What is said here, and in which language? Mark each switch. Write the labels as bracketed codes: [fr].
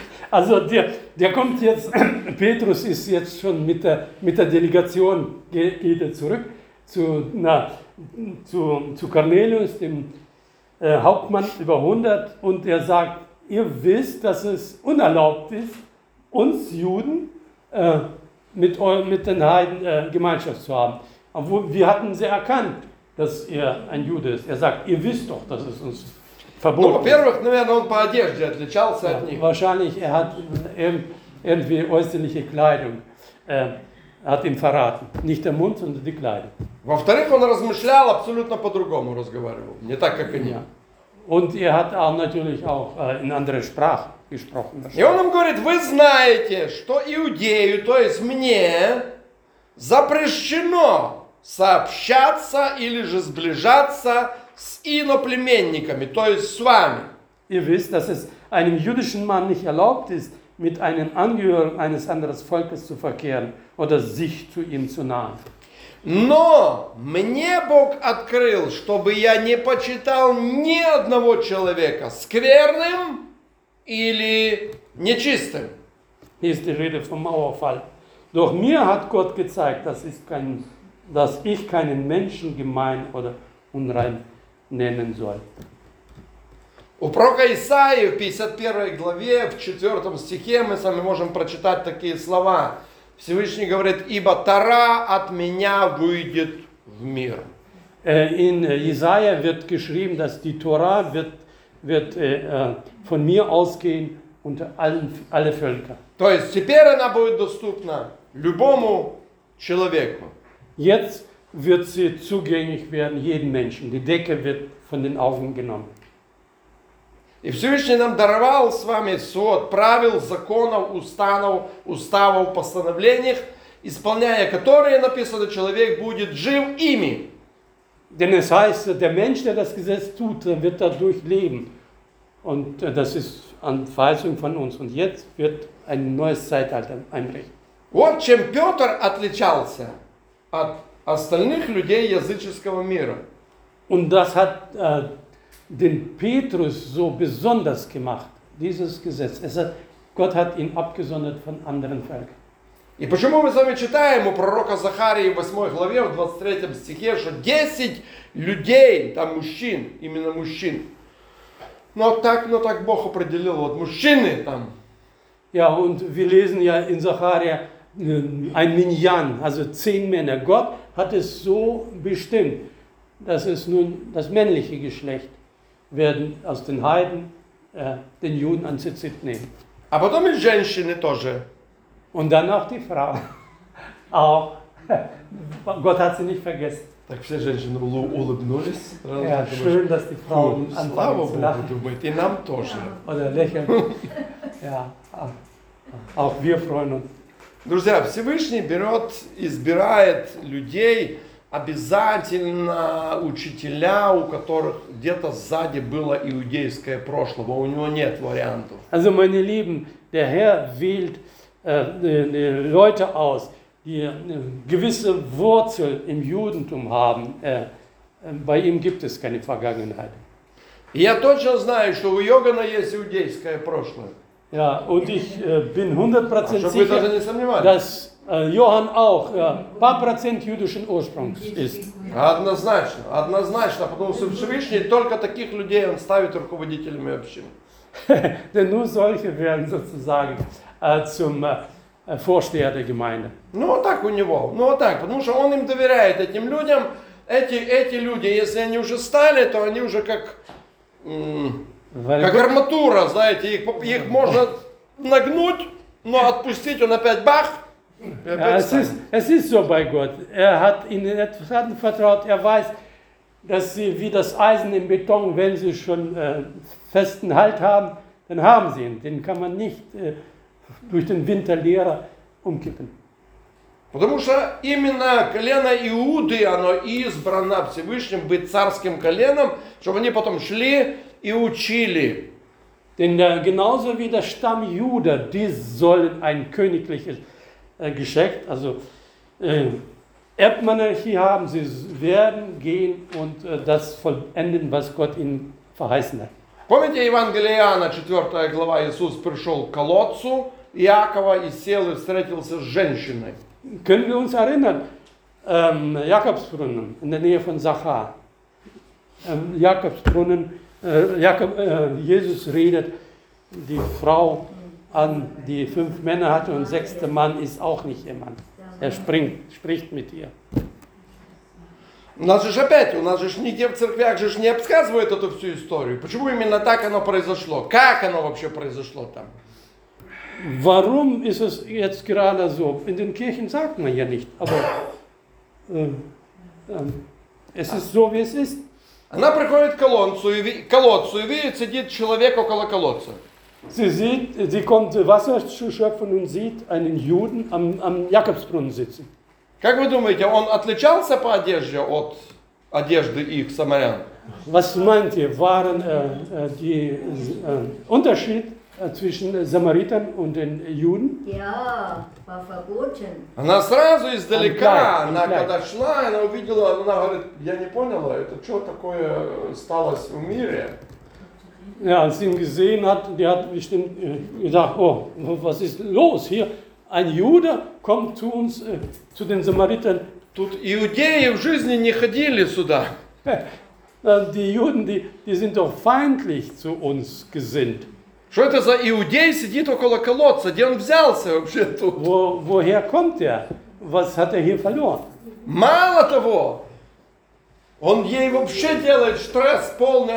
[de] Also der kommt jetzt, Petrus ist jetzt schon mit der Delegation, geht er zurück zu Cornelius, dem Hauptmann über 100, und er sagt, ihr wisst, dass es unerlaubt ist, uns Juden mit den Heiden Gemeinschaft zu haben. Aber wir hatten sie erkannt. Dass ein Jude ist. Er sagt, ihr wisst doch, dass es uns verboten ist. [ru] Во-первых, наверное, он по одежде отличался от них. [de] Wahrscheinlich, er hat irgendwie äußerliche Kleidung, hat ihn verraten. Nicht der Mund, sondern die Kleidung. [ru] Во-вторых, он размышлял, абсолютно по-другому разговаривал. Не так, как они. [de] Und er hat auch natürlich auch in anderer Sprache gesprochen. [ru] И он им говорит, вы знаете, что иудею, то есть мне, запрещено сообщаться или же сближаться с иноплеменниками, то есть с вами. [de] Ihr wisst, dass es einem jüdischen Mann nicht erlaubt ist, mit einem Angehörigen eines anderen Volkes zu verkehren oder sich zu ihm zu nahen. [ru] Но мне Бог открыл, чтобы я не почитал ни одного человека скверным или нечистым. [de] Hier ist die Rede vom Mauerfall. Doch mir hat Gott gezeigt, das ist kein dass ich keinen Menschen gemein oder unrein nennen soll. [ru] У пророка Исаии в 51 главе, в 4 стихе, мы с вами можем прочитать такие слова. Всевышний говорит, ибо Тора от меня выйдет в мир. [de] In Isaiah wird geschrieben, dass die Tora wird von mir ausgehen unter alle Völker. [ru] То есть теперь она будет доступна любому человеку. [de] Jetzt wird sie zugänglich werden jedem Menschen. Die Decke wird von den Augen genommen. [ru] И Всевышний нам даровал с вами свод правил, законов, уставов, постановлений, исполняя которые, написано, человек будет жив ими. [de] Denn es heißt, der Mensch, der das Gesetz tut, wird dadurch leben. Und das ist an Verheißung von uns. Und jetzt wird ein neues Zeitalter einbrechen. [ru] Вот чем Петр отличался от остальных людей языческого мира. [de] Und das hat den Petrus so besonders gemacht, dieses Gesetz. Es hat, Gott hat ihn abgesondert von anderen Völkern. [ru] И почему мы с вами читаем у пророка Захарии в 8 главе, в 23 стихе, что 10 людей, там мужчин, именно мужчин, но так Бог определил, вот мужчины там. [de] Ja, und wir lesen ja in Zacharia ein Minyan, also 10 Männer. Gott hat es so bestimmt, dass es nun das männliche Geschlecht werden aus den Heiden, den Juden an Zitzit nehmen. [ru] А потом и женщины тоже. [de] Und dann auch die Frau. Auch. Gott hat sie nicht vergessen. [ru] Так все женщины улыбнулись. [de] Schön, dass die Frau anfangen zu lachen. [ru] И нам тоже. [de] Oder lächeln. Ja, auch wir freuen uns. [ru] Друзья, Всевышний берет, избирает людей, обязательно учителя, у которых где-то сзади было иудейское прошлое. У него нет вариантов. [de] Also, meine Lieben, der Herr wählt Leute aus, die eine gewisse Wurzel im Judentum haben. Bei ihm gibt es keine Vergangenheit. [ru] Я точно знаю, что у Йогана есть иудейское прошлое. [de] Ja, und ich bin 100% sicher, dass Johann auch ein paar Prozent jüdischen Ursprungs ist. [ru] Однозначно, однозначно, потому что Всевышний только таких людей он ставит руководителями общины. [de] Denn nur solche werden sozusagen zum Vorsteher der Gemeinde. [ru] Ну вот так у него, ну вот так, потому что он им доверяет, этим людям, эти люди, если они уже стали, то они уже как... [de] Weil [ru] как арматура, знаете, их можно нагнуть, но отпустить, он опять бах, [de] Es ist so bei Gott. Hat ihnen etwas anvertraut. Weiß, dass sie wie das Eisen im Beton, wenn sie schon festen Halt haben, dann haben sie ihn. Den kann man nicht durch den Winterlehrer umkippen. [ru] Потому что именно колено Иуды, оно избрано Всевышним быть царским коленом, чтобы они потом шли и учили. [de] Denn genauso wie der Stamm Juda, die sollen ein königliches Geschlecht, also Erbmonarchie haben, sie werden gehen und das vollenden, was Gott ihnen verheißen hat. [ru] Помните Евангелие Иоанна, 4 глава, Иисус пришел к колодцу Иакова и сел и встретился с женщиной. [de] Können wir uns erinnern, Jakobsbrunnen in der Nähe von Sachar. Jakobsbrunnen, Jesus redet die Frau an, die 5 Männer hatte und 6. Mann ist auch nicht ihr Mann. Er spricht mit ihr. [ru] У нас же опять, у нас же нигде в церквях же не обсказывает эту всю историю. Почему именно так оно произошло? Как оно вообще произошло там? [de] Warum ist es jetzt gerade so? In den Kirchen sagt man ja nicht, aber es ist so, wie es ist. [ru] Она приходит к колодцу и видит, сидит человек около колодца. [de] Sie kommt Wasser zu schöpfen und sieht einen Juden am Jakobsbrunnen sitzen. [ru] Как вы думаете, он отличался по одежде от одежды их самарян? [de] Was meint ihr, waren die Unterschied zwischen Samaritern und den Juden? Ja, war verboten. [ru] Она сразу издалека, она когда шла, она увидела, она говорит, я не поняла, это что такое стало в мире? [de] Ja, als sie ihn gesehen hat, die hat bestimmt gesagt, oh, was ist los hier? Ein Jude kommt zu uns, zu den Samaritern. [ru] Тут иудеи в жизни не ходили сюда. [de] Die Juden, die sind doch feindlich zu uns gesinnt. [ru] Что это за иудей сидит около колодца? Где он взялся вообще тут? [de] Woher kommt er? Was hat hier verloren? [ru] Мало того, он ей вообще делает стресс полный.